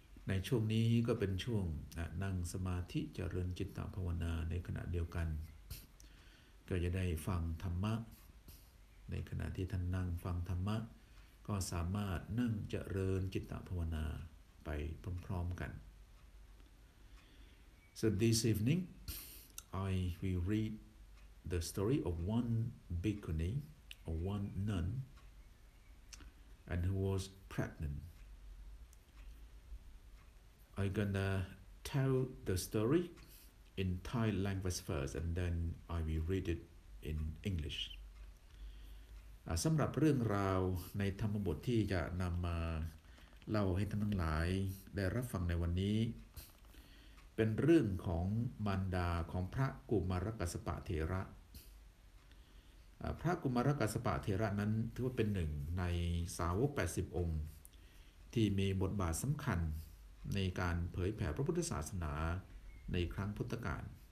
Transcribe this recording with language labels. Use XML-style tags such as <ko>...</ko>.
<th>ในช่วงนี้ก็เป็นช่วงนั่งสมาธิเจริญจิตตภาวนาในขณะเดียวกันก็จะได้ฟังธรรมะในขณะที่ท่านนั่งฟังธรรมะก็สามารถนั่งเจริญจิตตภาวนาไปพร้อมๆกัน</th> <en>So this eveningI will read the story of one bhikkhuni, or one nun, and who was pregnant. I'm gonna tell the story in Thai language first, and then I will read it in English.</en> <th>สำหรับเรื่องราวในธรรมบทที่จะนำมาเล่าให้ท่านทั้งหลายได้รับฟังในวันนี้เป็นเรื่องของมารดาของพระกุมารกัสสปะเถระพระกุมารกัสสปะเถระนั้นถือว่าเป็นหนึ่งในสาวก80องค์ที่มีบทบาทสำคัญในการเผยแผ่พระพุทธศาสนาในครั้งพุทธกาล</th>